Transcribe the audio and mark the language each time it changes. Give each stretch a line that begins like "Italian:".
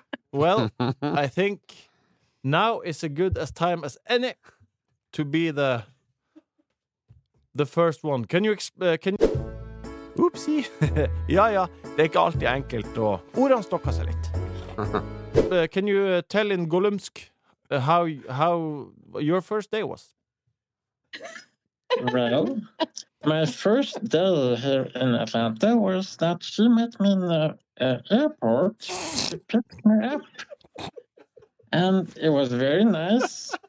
English: Well, I think now is as good as time as any to be the first one. Can you can you... Oopsie.
Norwegian: Ja, det er ikke alltid enkelt å ordene stokker seg litt.
English: Can you tell in Gollumsk how your first day was? Well, my first day here in Atlanta was that she met me in the airport. She picked me up. And it was very nice.